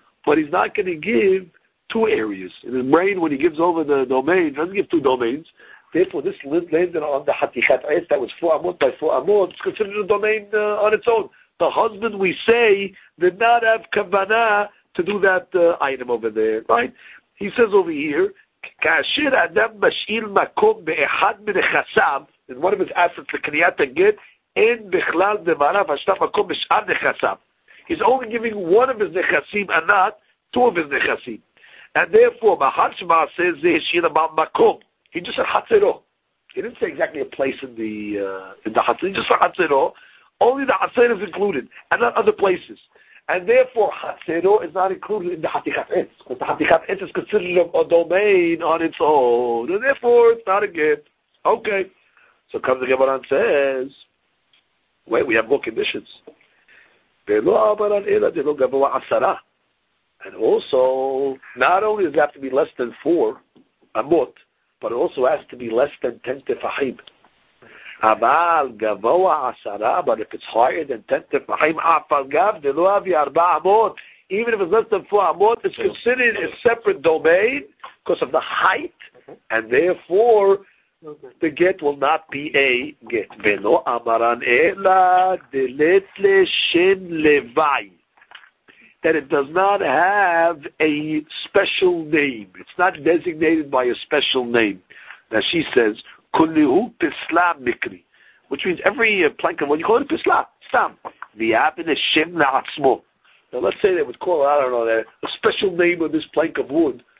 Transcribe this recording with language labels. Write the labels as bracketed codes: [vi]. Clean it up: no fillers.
[en] But he's not going to give two areas. In his brain, when he gives over the domain, he doesn't give two domains. Therefore, this landed on the hatichat es that was 4 amot by 4 amot. It's considered a domain on its own. The husband, we say, did not have kavanah to do that item over there, right? He says over here, [he] כאשר אדם משאיל מקום באחד מנכסיו, [en] in one of his assets, [he] לקניית הגט, אין בכלל דבריו השטף מקום בשאר נכסיו. [en] He's only giving one of his נכסים, and not two of his נכסים. And therefore, [he] מאחר שמעשה זה השאיל הבעל מקום. [en] He just said חצרו. He didn't say exactly a place in the חצר. He just said חצרו. Only the חצר is included, and not other places. And therefore, Hatsero is not included in the Hatichat Etz, because the Hatichat Etz is considered a domain on its own. And therefore, it's not a get. Okay. So comes the Gemara and says, wait, we have more conditions. And also, not only does it have to be less than 4, amot, but it also has to be less than 10 tefahim. [he] אבל גבוה עשרה, [en] but if it's higher than 10 תפחים, [he] אף על גב, זה לא אבי 4 amot. [en] Even if it's less than 4 amot, it's considered a separate domain because of the height, and therefore, the get will not be a get. [arc] ולא אמרן אלא דלת לשן לוואי. [en] That it does not have a special name. It's not designated by a special name. Now she says, [arc] Kulihu pisla mikri, [en] which means every plank of what you call it pisla, stam. [he] Viyabin eshem la'atzmo. [en] Now let's say they would call it, I don't know, that a special name of this plank of wood.